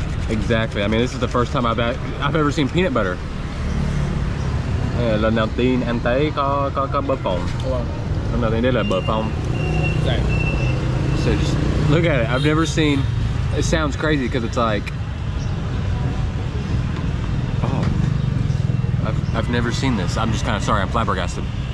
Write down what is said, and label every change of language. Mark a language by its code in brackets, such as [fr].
[en] Exactly. I mean, this is the first time I've ever seen peanut butter. [vi] Lần đầu tiên anh thấy có bơ phồng. [en] I don't know, like so just look at it. I've never seen. It sounds crazy because it's like, oh, I've never seen this. I'm just kind of sorry. I'm flabbergasted.